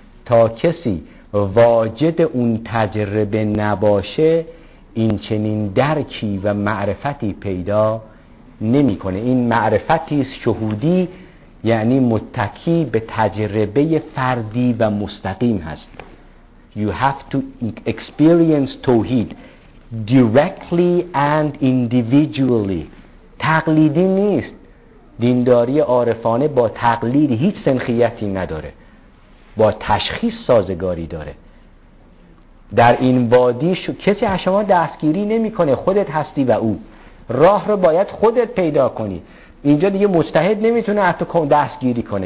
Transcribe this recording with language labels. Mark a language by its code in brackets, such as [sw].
[fa] تا کسی واجد اون تجربه نباشه، این چنین درکی و معرفتی پیدا نمی کنه. این معرفتی است شهودی، یعنی متکی به تجربه فردی و مستقیم هست. [en] You have to experience توحید directly and individually. [fa] تقلیدی نیست. دینداری عارفانه با تقلید هیچ سنخیتی نداره، با تشخیص سازگاری داره. در این وادی کسی از شما دستگیری نمی کنه، خودت هستی و او. راه رو باید خودت پیدا کنی. اینجا دیگه مجتهد نمیتونه از تو دستگیری کنه.